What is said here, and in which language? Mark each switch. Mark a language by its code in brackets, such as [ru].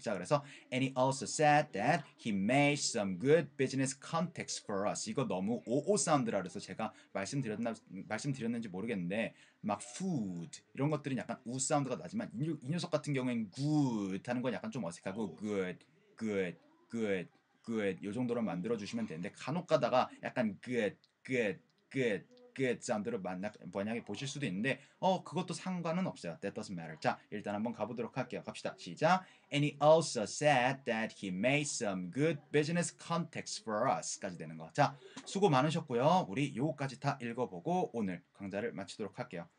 [ko] 자 그래서 [en] and he also said that he made some good business contacts for us. [ko] 이거 너무 오오 사운드라 그래서 제가 말씀드렸는지 모르겠는데 막 food 이런 것들은 약간 우 사운드가 나지만 이 녀석 같은 경우엔 good 하는 건 약간 좀 어색하고 good 요 정도로 만들어주시면 되는데 간혹 가다가 약간 good 그 사운드로 만약에 보실 수도 있는데 그것도 상관은 없어요. [en] That doesn't matter. [ko] 자, 일단 한번 가보도록 할게요. 갑시다. 시작! [en] And he also said that he made some good business contacts for us. [ko] 까지 되는 거. 자, 수고 많으셨고요. 우리 요거까지 다 읽어보고 오늘 강좌를 마치도록 할게요.